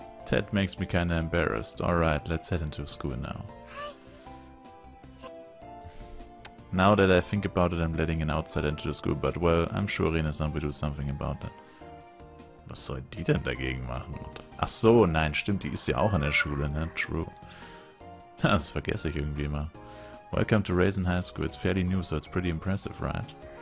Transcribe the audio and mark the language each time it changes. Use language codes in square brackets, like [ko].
[en] That makes me kinda embarrassed. Alright, let's head into school now. Now that I think about it, I'm letting an outsider into the school, but well, I'm sure Rinne-san will do something about that. [de] Was soll die denn dagegen machen? Ach so, nein, stimmt, die ist ja auch in der Schule, ne? [en] True. [de] Das vergesse ich irgendwie immer. [en] Welcome to Raisin High School. It's fairly new, so it's pretty impressive, right?